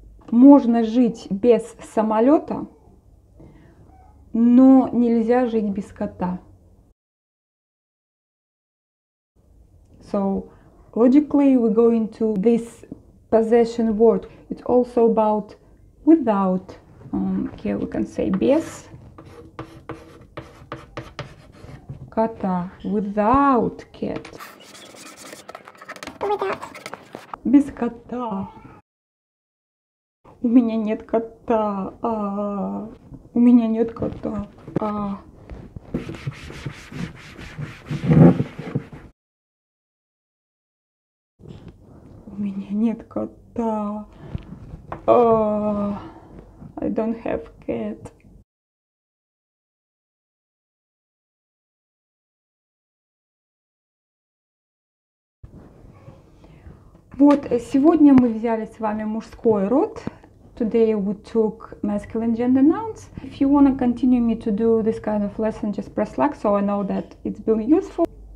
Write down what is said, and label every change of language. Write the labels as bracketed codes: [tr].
[ru] Можно жить без самолета, но нельзя жить без кота. [en] So, logically, we go into this possession word. It's also about without. Here we can say без кота. Without cat. Without. [ru] Без кота. У меня нет кота. У меня нет кота. У меня нет кота. I don't have cat. Вот, сегодня мы взяли с вами мужской род. [en] Today we took masculine gender nouns. If you want to continue me to do this kind of lesson, just press like, so I know that it's been useful.